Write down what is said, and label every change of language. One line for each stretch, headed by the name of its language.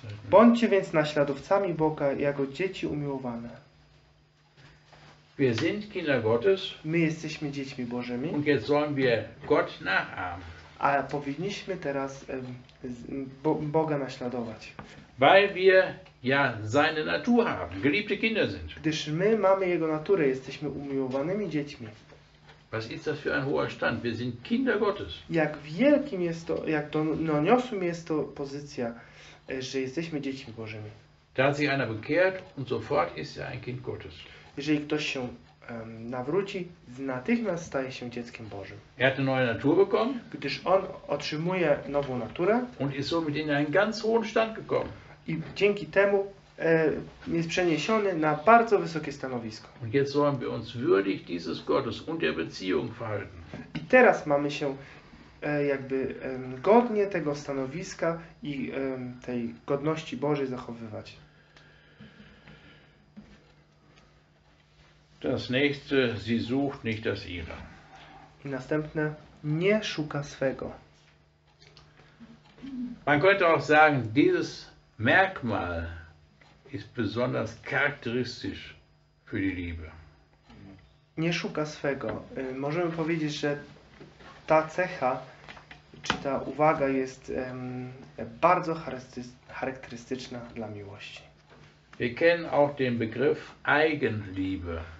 Polish: Bądźcie więc naśladowcami Boga, jako dzieci umiłowane.
German: Wir sind Kinder Gottes.
Polish: My jesteśmy dziećmi Bożymi.
German: Und jetzt sollen wir Gott nachahmen.
Polish: A powinniśmy teraz Boga naśladować.
German: Weil wir ja seine Natur haben, geliebte Kinder sind.
Polish: Gdyż my mamy jego naturę, jesteśmy umiłowanymi dziećmi.
German: Was ist das für ein hoher Stand? Wir sind Kinder Gottes.
Polish: Jak wielkim jest to, jak to doniosłym jest to pozycja, że jesteśmy dziećmi Bożymi.
German: Da sich einer bekehrt und sofort ist er ein Kind Gottes.
Polish: Jeżeli ktoś się nawróci, natychmiast staje się dzieckiem Bożym.
German: Er hat eine neue Natur bekommen.
Polish: Gdyż on otrzymuje nową naturę.
German: Und ist somit in einen ganz hohen Stand gekommen.
Polish: I dzięki temu jest przeniesiony na bardzo wysokie stanowisko.
German: Und jetzt sollen wir uns würdig dieses Gottes und der Beziehung verhalten.
Polish: I teraz mamy się jakby godnie tego stanowiska i tej godności Bożej zachowywać.
German: Das nächste, sie sucht nicht das ihre.
Polish: I następne, nie szuka swego.
German: Man könnte auch sagen, dieses Merkmal ist besonders charakteristisch für die Liebe.
Polish: Nie szuka swego. Możemy powiedzieć, że ta cecha, czy ta uwaga jest bardzo charakterystyczna dla miłości.
German: Wir kennen auch den Begriff Eigenliebe.